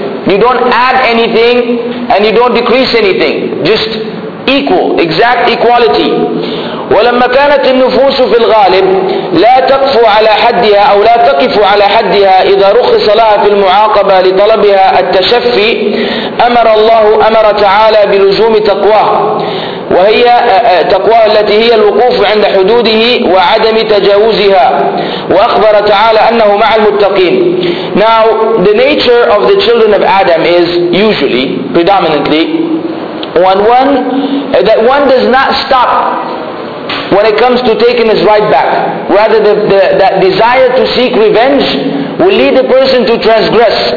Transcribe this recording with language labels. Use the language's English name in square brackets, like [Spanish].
[English] You don't add anything and you don't decrease anything. Just equal, exact equality. [Arabic] ولما كانت النفوس في الغالب لا تقف على حدها أو لا تقف على حدها إذا رخص لها في المعاقبة لطلبها التشفي أمر تعالى بلزوم تقواه وهي تقواه التي هي الوقوف عند حدوده وعدم تجاوزها وأخبر تعالى أنه مع المتقين. [English] Now the nature of the children of Adam is usually, predominantly, one does not stop when it comes to taking his right back. Rather, that desire to seek revenge will lead the person to transgress.